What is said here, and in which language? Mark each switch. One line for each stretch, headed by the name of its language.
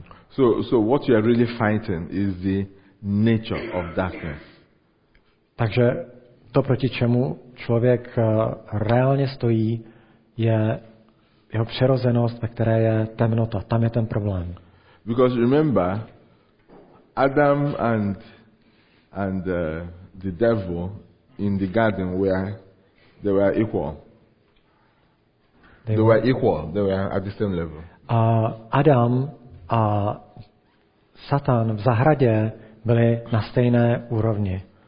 English: So what you are really fighting is the nature of darkness.
Czech: Takže to, proti čemu člověk reálně stojí, je jeho přirozenost, ve které je temnota. Tam je ten problém.
English: Because remember, Adam and the devil in the garden were they were at the same level.
Czech: Adam a Satan v zahradě byli na stejné úrovni.